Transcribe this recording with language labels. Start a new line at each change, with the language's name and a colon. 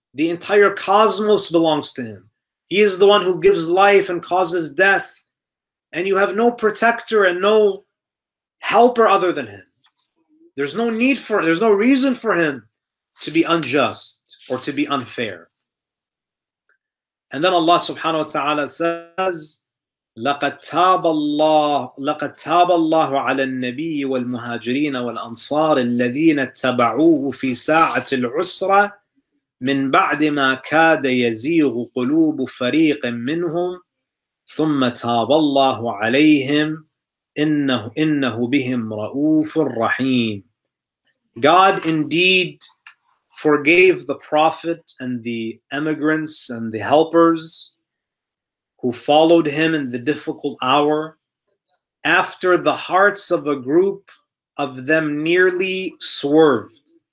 English: The entire cosmos belongs to Him. He is the one who gives life and causes death. And you have no protector and no helper other than Him. There's no need for, there's no reason for Him to be unjust or to be unfair. And then Allah subhanahu wa ta'ala says,
Arabic: لَقَدْ تَابَ اللَّهُ عَلَى النَّبِيِّ وَالْمُهَاجِرِينَ وَالْأَنصَارِ الَّذِينَ اتَّبَعُوهُ فِي سَاعَةِ الْعُسْرَةِ مِنْ بَعْدِ مَا كَادَ يَزِيغُ قُلُوبُ فَرِيقٍ مِّنْهُمْ ثُمَّ تَابَ اللَّهُ عَلَيْهِمْ إِنَّهُ بِهِمْ رَؤُوفٌ رَحِيمٌ.
English: God indeed forgave the Prophet and the emigrants and the helpers who followed him in the difficult hour, after the hearts of a group of them nearly swerved.